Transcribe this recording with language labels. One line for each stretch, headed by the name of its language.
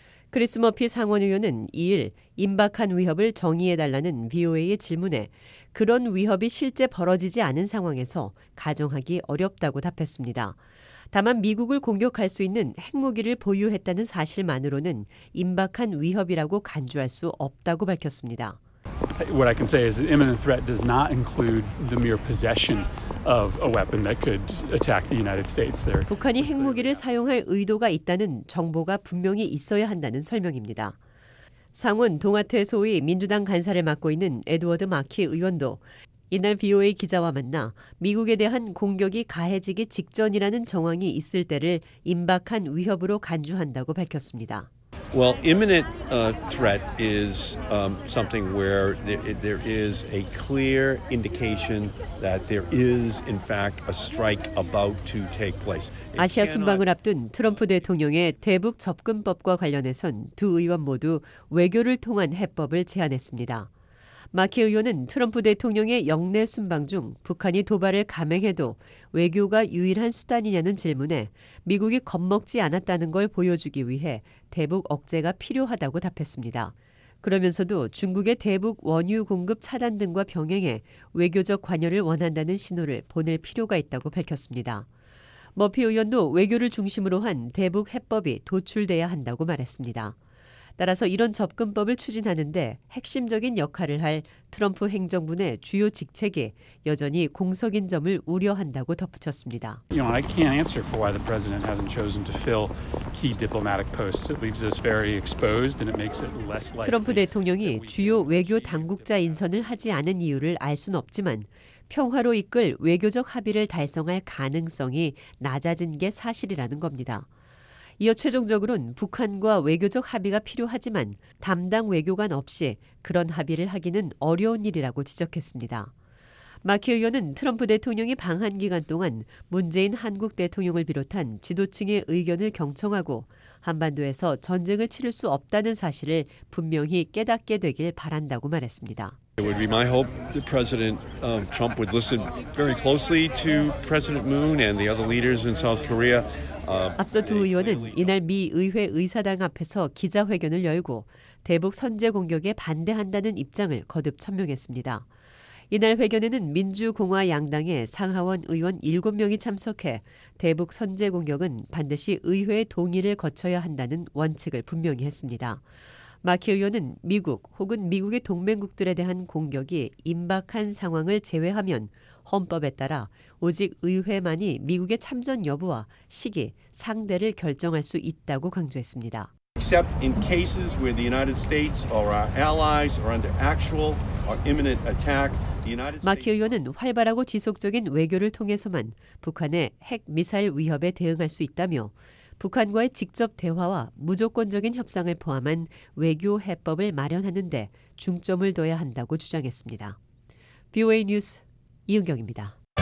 Korean: 크리스 머피 상원의원은 2일 임박한 위협을 정의해달라는 VOA의 질문에 그런 위협이 실제 벌어지지 않은 상황에서 가정하기 어렵다고 답했습니다. 다만 미국을 공격할 수 있는 핵무기를 보유했다는 사실만으로는 임박한 위협이라고 간주할 수 없다고 밝혔습니다.
English: What I can say is an imminent threat does not include the mere possession of a weapon that could attack the United States.
Korean: 북한이 핵무기를 사용할 의도가 있다는 정보가 분명히 있어야 한다는 설명입니다. 상원 동아태 소위 민주당 간사를 맡고 있는 에드워드 마키 의원도 이날 VOA 기자와 만나 미국에 대한 공격이 가해지기 직전이라는 정황이 있을 때를 임박한 위협으로 간주한다고 밝혔습니다.
English: Well, imminent threat is something where there is a clear indication that there is, in fact, a strike about to take place.
Korean: 아시아 순방을 앞둔 트럼프 대통령의 대북 접근법과 관련해선 두 의원 모두 외교를 통한 해법을 제안했습니다. 마키 의원은 트럼프 대통령의 영내 순방 중 북한이 도발을 감행해도 외교가 유일한 수단이냐는 질문에 미국이 겁먹지 않았다는 걸 보여주기 위해 대북 억제가 필요하다고 답했습니다. 그러면서도 중국의 대북 원유 공급 차단 등과 병행해 외교적 관여를 원한다는 신호를 보낼 필요가 있다고 밝혔습니다. 머피 의원도 외교를 중심으로 한 대북 해법이 도출돼야 한다고 말했습니다. 따라서 이런 접근법을 추진하는데 핵심적인 역할을 할 트럼프 행정부 내 주요 직책이 여전히 공석인 점을 우려한다고 덧붙였습니다.
English: You know, I can't answer for why the president hasn't chosen to fill key diplomatic posts. It leaves us very exposed and it makes it less likely.
Korean: 트럼프 대통령이 주요 외교 당국자 인선을 하지 않은 이유를 알 순 없지만 평화로 이끌 외교적 합의를 달성할 가능성이 낮아진 게 사실이라는 겁니다. 이어 최종적으로는 북한과 외교적 합의가 필요하지만 담당 외교관 없이 그런 합의를 하기는 어려운 일이라고 지적했습니다. 마키 의원은 트럼프 대통령이 방한 기간 동안 문재인 한국 대통령을 비롯한 지도층의 의견을 경청하고 한반도에서 전쟁을 치를 수 없다는 사실을 분명히 깨닫게 되길 바란다고 말했습니다.
English: It would be my hope that President Trump would listen very closely to President Moon and the other leaders in South Korea.
Korean: 앞서 두 의원은 이날 미 의회 의사당 앞에서 기자회견을 열고 대북 선제 공격에 반대한다는 입장을 거듭 천명했습니다. 이날 회견에는 민주공화 양당의 상하원 의원 7명이 참석해 대북 선제 공격은 반드시 의회의 동의를 거쳐야 한다는 원칙을 분명히 했습니다. 마키 의원은 미국 혹은 미국의 동맹국들에 대한 공격이 임박한 상황을 제외하면 헌법에 따라 오직 의회만이 미국의 참전 여부와 시기, 상대를 결정할 수 있다고 강조했습니다.
English: Except in cases where the United States or our allies are under actual or imminent attack, the United States.
Korean: 마키 의원은 활발하고 지속적인 외교를 통해서만 북한의 핵 미사일 위협에 대응할 수 있다며 북한과의 직접 대화와 무조건적인 협상을 포함한 외교 해법을 마련하는 데 중점을 둬야 한다고 주장했습니다. VOA 뉴스 이은경입니다.